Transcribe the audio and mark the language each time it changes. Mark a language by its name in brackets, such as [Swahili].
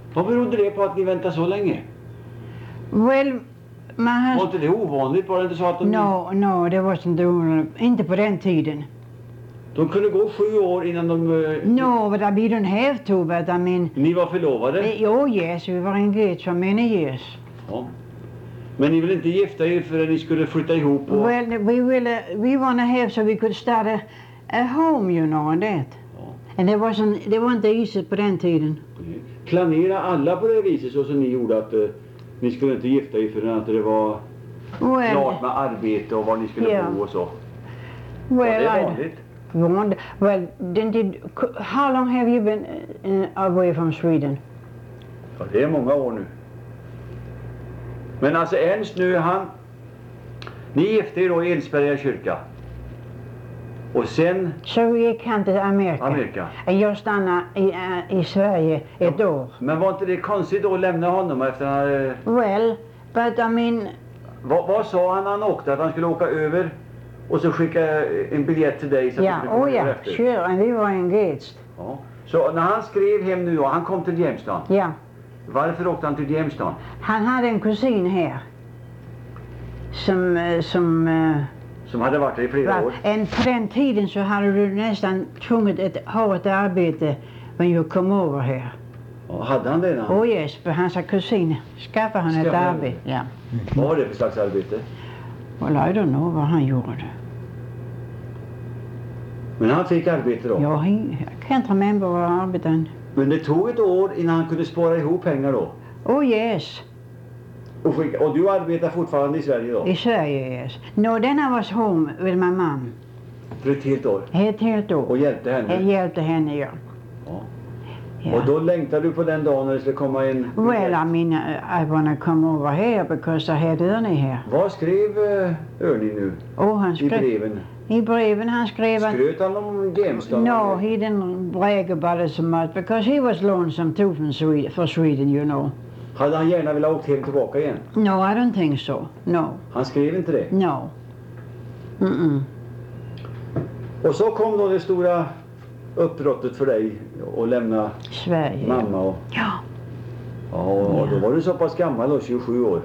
[Swedish] Vad berodde det på att ni väntade så länge? [English] Well, my husband... [Swedish] Var inte det ovanligt? Var det inte så att de... No, det var inte ovanligt. Inte på den tiden. De kunde gå 7 år innan de... [English] No, but we don't have to, but I mean... [Swedish] Ni var förlovade? [English] Yes, we were engaged for many years. [Swedish] Ja. Men ni ville inte gifta er förrän ni skulle flytta ihop och... [English] Well, we want to have so we could start a home, you know, and that. And it wasn't easy [Swedish] på den tiden. Planera alla på det viset så som ni gjorde att ni skulle inte gifta er förrän att det var [English] well, [Swedish] klart med arbete och var ni skulle yeah. bo och så. [English] Well, [Swedish] var det vanligt? [English] Well, how long have you been away from Sweden? [Swedish] Ja, det är många år nu. Men alltså Ernst nu han, ni gifte er då i Elsberga kyrka. Och sen så gick han till Amerika. Och jag stannade i Sverige ett ja, år. Men var inte det konstigt då att lämna honom efter han hade... [English] Well, but I mean... [Swedish] Vad sa han när han åkte? Att han skulle åka över och så skicka en biljett till dig? [English] Ja, oh ja, sure, and we were engaged. [Swedish] Ja. Så när han skrev hem nu och han kom till Jämstaden. Ja. Varför åkte han till Jämstaden? Han hade en kusin här. Som hade varit i flera år. En på den tiden så hade du nästan tvunget att ha ett arbete när du kom över här. Och hade han det då? Oh yes, för hans kusin skaffade han ett arbete. Ja. Mm. Vad var det för slags arbete? [English] Well, I don't know [Swedish] vad han gjorde. Men han fick arbete då? [English] Ja, I can't remember [Swedish] vad arbetet han. Men det tog ett år innan han kunde spara ihop pengar då? [English] Oh yes. [Swedish] Och du arbetar fortfarande i Sverige då? I Sverige, yes. [English] No, then I was home with my mom. [Swedish] För ett helt år? Ett helt år. Och hjälpte henne? Jag hjälpte henne, ja. Ja. Och då längtade du på den dagen när det skulle komma en... [English] Well, I mean, I wanna come over here because I had Ernie here. [Swedish] Vad skrev Ernie nu? Oh, han skrev... I breven? I breven han skrev... Skröt han om Jämstaden? [English] No, he didn't brag about it so much because he was lonesome too for Sweden, you know. Hade han gärna velat åkt hem tillbaka igen? No, I don't think so. No. [Swedish] Han skrev inte det? [English] No. Mm-mm. [Swedish] Och så kom då det stora uppbrottet för dig att lämna Sverige. Mamma och... Ja. Ja, då var du så pass gammal då, 27 år.